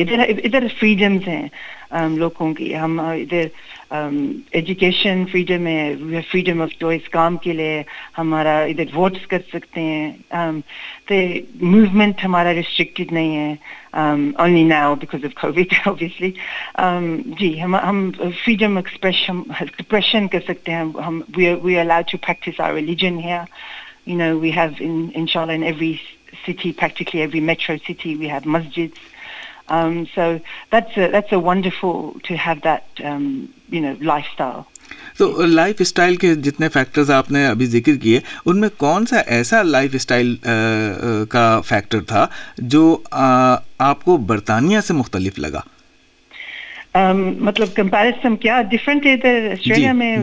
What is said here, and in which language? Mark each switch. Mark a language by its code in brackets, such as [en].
[hi] इधर फ्रीडम्स हैं लोगों की. हम इधर एजुकेशन फ्रीडम है, फ्रीडम ऑफ चॉइस काम के लिए, हमारा इधर वोट्स कर सकते हैं, तो मूवमेंट हमारा रिस्ट्रिक्टेड नहीं है, only now because of Covid obviously. जी, हम फ्रीडम एक्सप्रेशन कर सकते हैं. [en] हम we allowed to practice our religion here, you know, we have इंशाल्लाह in every city, practically every metro city we have मस्जिद्स. So that's a wonderful to have that lifestyle. [hi] So lifestyle के जितने factors आपने अभी जिक्र किए, उनमें कौन सा ऐसा lifestyle का factor था जो आपको बरतानिया से मुख्तलिफ लगा? मतलब comparison क्या different है इधर ऑस्ट्रेलिया में?